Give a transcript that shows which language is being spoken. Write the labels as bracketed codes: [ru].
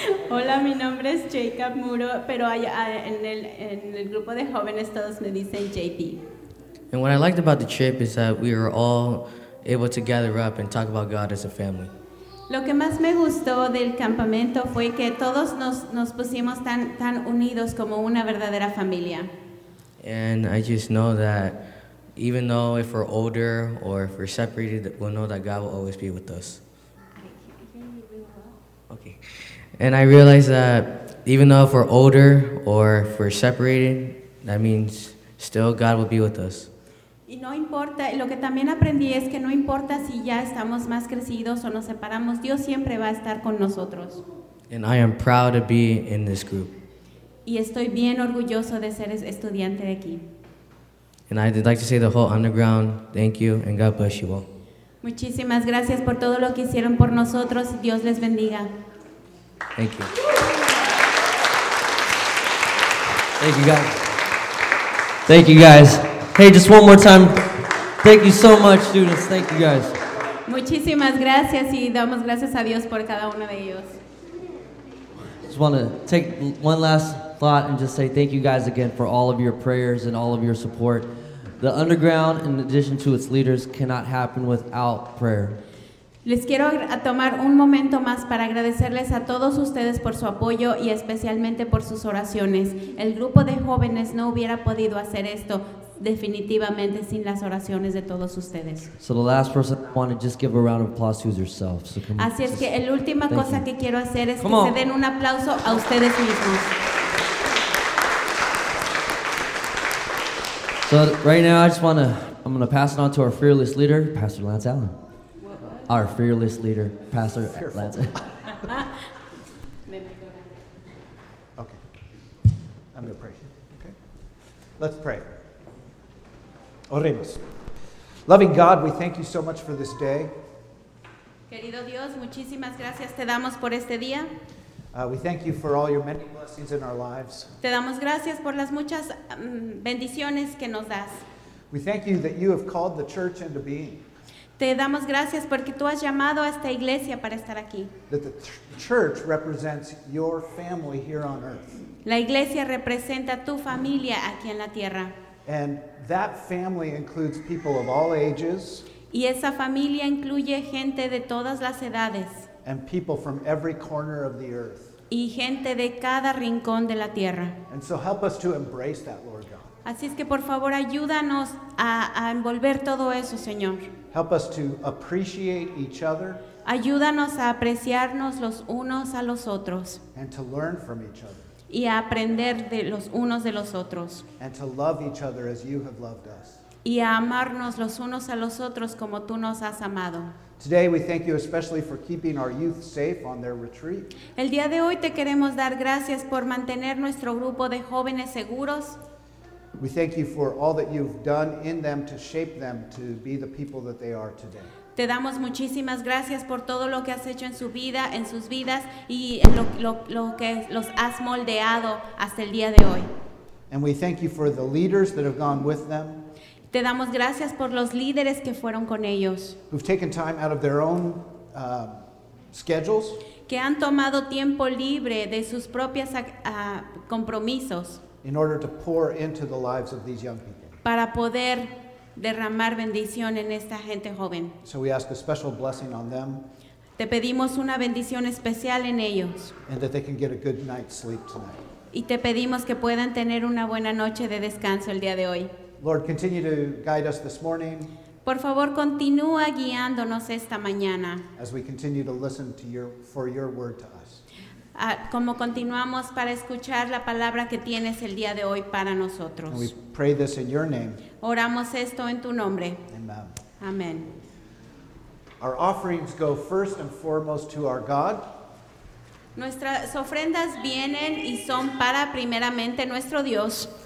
[es] Hola, mi nombre es Jacob Muro, pero en el grupo de jóvenes todos me dicen JP. [en] And what I liked about the trip is that we were all able to gather up and talk about God as a family. [es] Lo que más me gustó del campamento fue que todos nos pusimos tan unidos como una verdadera familia. [en] And I just know that even though if we're older or if we're separated, we'll know that God will always be with us. Okay. And I realize that even though if we're older or if we're separated, that means still God will be with us. [es] Y no importa, lo que también aprendí es que no importa si ya estamos más crecidos o nos separamos, Dios siempre va a estar con nosotros. [en] And I am proud to be in this group. [es] Y estoy bien orgulloso de ser estudiante de aquí. [en] And I'd like to say the whole underground, thank you, and God bless you all. [es] Muchísimas gracias por todo lo que hicieron por nosotros. Dios les bendiga. [en] Thank you. Thank you, guys. Thank you, guys. Hey, just one more time. Thank you so much, students. Thank you, guys. [es] Muchísimas gracias y damos gracias a Dios por cada uno de ellos. [en] Just want to take one last thought and just say thank you guys again for all of your prayers and all of your support. The underground, in addition to its leaders, cannot happen without prayer. [es] Les quiero tomar un momento más para agradecerles a todos ustedes por su apoyo y especialmente por sus oraciones. El grupo de jóvenes no hubiera podido hacer esto definitivamente sin las oraciones de todos ustedes. [en] So the last person I want to just give a round of applause to is yourself. So come [es] Así es que la última cosa que quiero hacer es que se den un aplauso a ustedes mismos. [en] So right now I'm going to pass it on to our fearless leader, Pastor Lance Allen. Our fearless leader, Pastor Lance. Okay. I'm going to pray. Okay. Let's pray. [es] Oremos. [en] Loving God, we thank you so much for this day. [es] Querido Dios, muchísimas gracias te damos por este día. [en] We thank you for all your many blessings in our lives. [es] Te damos gracias por las muchas bendiciones que nos das. [en] We thank you that you have called the church into being. [es] Te damos gracias porque tú has llamado a esta iglesia para estar aquí. [en] That the church represents your family here on earth. [es] La iglesia representa tu familia aquí en la tierra. [en] And that family includes people of all ages. [es] Y esa familia incluye gente de todas las edades. [en] And people from every corner of the earth. [es] Y gente de cada rincón de la tierra. [en] And so help us to embrace that, Lord God. [es] Así es que por favor ayúdanos a envolver todo eso, Señor. [en] Help us to appreciate each other. [es] Ayúdanos a apreciarnos los unos a los otros. [en] And to learn from each other. [es] Y a aprender de los unos de los otros. [en] And to love each other as you have loved us. [es] Y a amarnos los unos a los otros como tú nos has amado. [en] Today we thank you especially for keeping our youth safe on their retreat. [es] El día de hoy te queremos dar gracias por mantener nuestro grupo de jóvenes seguros. [en] We thank you for all that you've done in them to shape them to be the people that they are today. [es] Te damos muchísimas gracias por todo lo que has hecho en su vida, en sus vidas, y lo que los has moldeado hasta el día de hoy. [en] And we thank you for the leaders that have gone with them. [es] Te damos gracias por los líderes que fueron con ellos. [en] Who've taken time out of their own schedules. [es] Que han tomado tiempo libre de sus propias compromisos. [en] In order to pour into the lives of these young people. [es] Para poder derramar bendición en esta gente joven. [en] So we ask a special blessing on them. [es] Te pedimos una bendición especial en ellos. [en] And that they can get a good night's sleep tonight. [es] Y te pedimos que puedan tener una buena noche de descanso el día de hoy. [en] Lord, continue to guide us this morning. [es] Por favor, continúa guiándonos esta mañana. [en] As we continue to listen to for your word to us. [es] Como continuamos para escuchar la palabra que tienes el día de hoy para nosotros. [en] And we pray this in your name. [es] Oramos esto en tu nombre. [en] Amen. [es] Amen. [en] Our offerings go first and foremost to our God. [es] Nuestras ofrendas vienen y son para primeramente nuestro Dios.